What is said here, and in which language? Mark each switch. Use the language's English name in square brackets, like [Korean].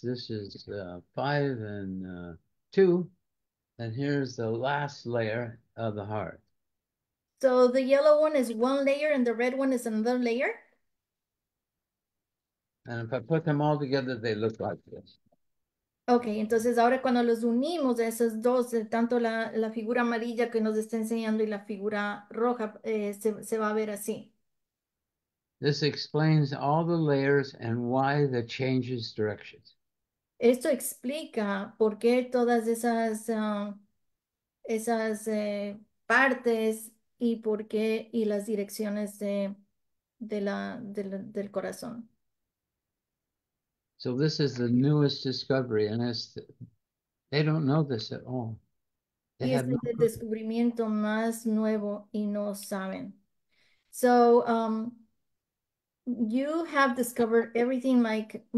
[English] This is five and two. And here's the last layer of the heart. So the yellow one is one layer and the red one is another layer. And if I put them all together, they look like this. [Spanish] Okay, entonces ahora cuando los unimos a esas dos, tanto la figura amarilla que nos está enseñando y la figura roja, se va a ver así. [English] This explains all the layers and why the changes directions. [Spanish] Esto explica por qué todas esas partes. Y por qué y las direcciones del corazón. [English] So this is the newest discovery, and it's they don't know this at all. They have [Spanish] este [English] no [Spanish] es el [English] clue. [Spanish] descubrimiento más nuevo y no saben. [English] So, you have discovered everything, Mike.